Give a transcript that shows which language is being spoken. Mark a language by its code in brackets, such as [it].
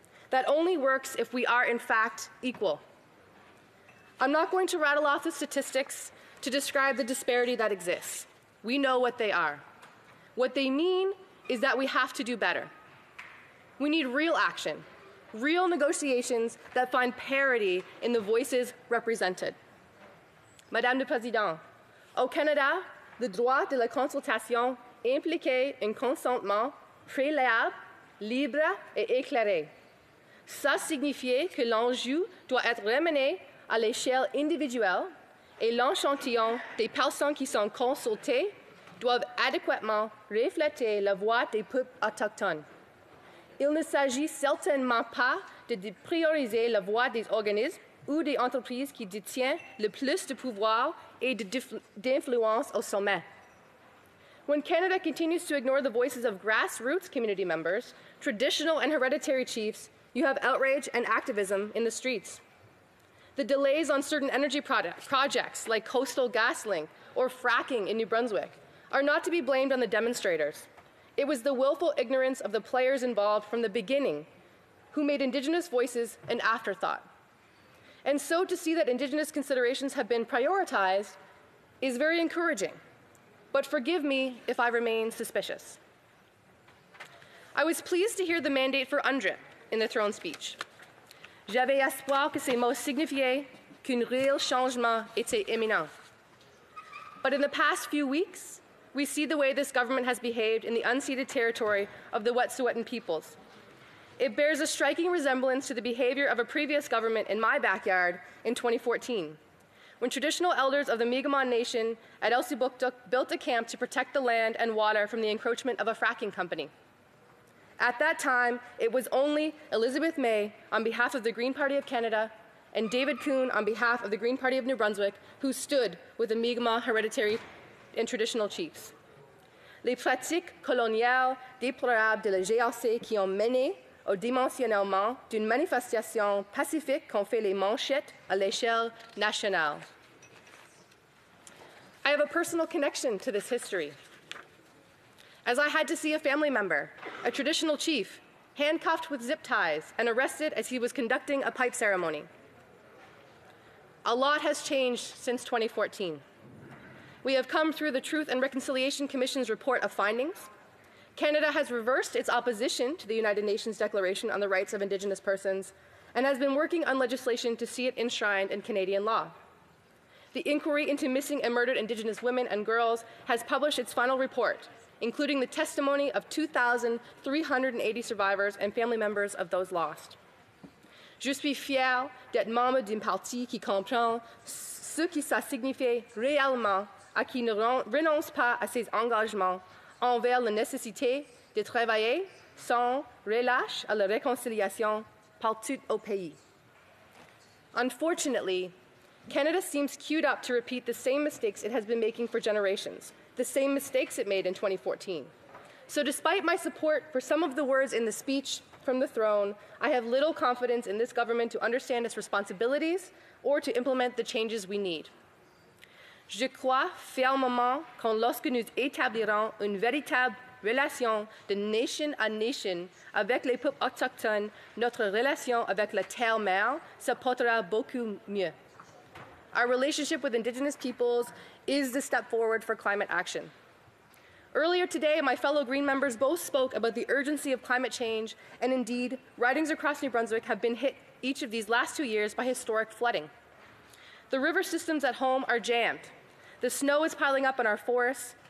[en] That only works if we are, in fact, equal. I'm not going to rattle off the statistics to describe the disparity that exists. We know what they are. What they mean is that we have to do better. We need real action. Real negotiations that find parity in the voices represented. [fr] Madame la Présidente, au Canada, le droit de la consultation implique un consentement préalable, libre et éclairé. Ça signifie que l'enjeu doit être ramené à l'échelle individuelle et l'échantillon des personnes qui sont consultées doivent adéquatement refléter la voix des peuples autochtones. Il ne s'agit certainement pas de prioriser la voix des organismes ou des entreprises qui détiennent le plus de pouvoir et d'influence au sommet. [en] When Canada continues to ignore the voices of grassroots community members, traditional and hereditary chiefs, you have outrage and activism in the streets. The delays on certain energy projects like Coastal GasLink or fracking in New Brunswick are not to be blamed on the demonstrators. It was the willful ignorance of the players involved from the beginning who made Indigenous voices an afterthought. And so to see that Indigenous considerations have been prioritized is very encouraging. But forgive me if I remain suspicious. I was pleased to hear the mandate for UNDRIP in the throne speech. [fr] J'avais espoir que ces mots signifiaient qu'un réel changement était imminent. [en] But in the past few weeks, we see the way this government has behaved in the unceded territory of the Wet'suwet'en peoples. It bears a striking resemblance to the behavior of a previous government in my backyard in 2014, when traditional elders of the Mi'kmaq Nation at Elsibuktuk built a camp to protect the land and water from the encroachment of a fracking company. At that time, it was only Elizabeth May, on behalf of the Green Party of Canada, and David Kuhn, on behalf of the Green Party of New Brunswick, who stood with the Mi'kmaq hereditary and traditional chiefs. [fr] Les pratiques coloniales déplorables de la GRC qui ont mené au dimensionnement d'une manifestation pacifique qu'ont fait les manchettes à l'échelle nationale. [en] I have a personal connection to this history, as I had to see a family member, a traditional chief, handcuffed with zip ties and arrested as he was conducting a pipe ceremony. A lot has changed since 2014. We have come through the Truth and Reconciliation Commission's report of findings. Canada has reversed its opposition to the United Nations Declaration on the Rights of Indigenous Persons and has been working on legislation to see it enshrined in Canadian law. The Inquiry into Missing and Murdered Indigenous Women and Girls has published its final report, including the testimony of 2,380 survivors and family members of those lost. [fr] Je suis fière d'être membre d'un parti qui comprend ce que ça signifie réellement à qui ne renonce pas à ses engagements envers la nécessité de travailler sans relâche à la réconciliation partout au pays. [en] Unfortunately, Canada seems queued up to repeat the same mistakes it has been making for generations, the same mistakes it made in 2014. So despite my support for some of the words in the speech from the throne, I have little confidence in this government to understand its responsibilities or to implement the changes we need. [fr] Je crois fermement que lorsque nous établirons une véritable relation de nation à nation avec les peuples autochtones, notre relation avec la terre-mère se portera beaucoup mieux. [en] Our relationship with Indigenous peoples is the step forward for climate action. Earlier today, my fellow Green members both spoke about the urgency of climate change, and indeed, ridings across New Brunswick have been hit each of these last 2 years by historic flooding. The river systems at home are jammed. The snow is piling up in our forests.